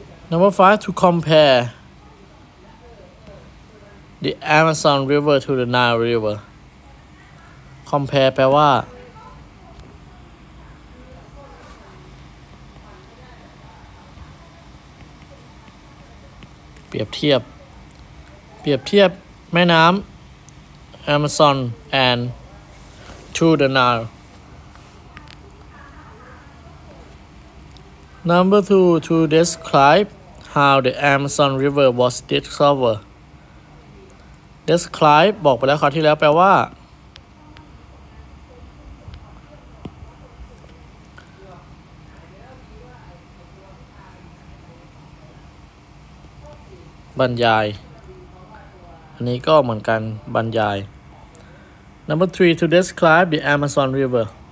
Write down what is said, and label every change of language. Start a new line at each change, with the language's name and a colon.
English: Number 5 to compare the Amazon River to the Nile River compare
Thai: แปลว่าเปรียบเทียบแม่น้ำ
English: Amazon and to the Nile. Number 2 to describe how the Amazon River was discovered.
Thai: Describe บอกไปแล้วคราวที่แล้วแปลว่าบรรยายอันนี้ก็เหมือนกันบรรยาย
English: Number 3 to describe the Amazon River.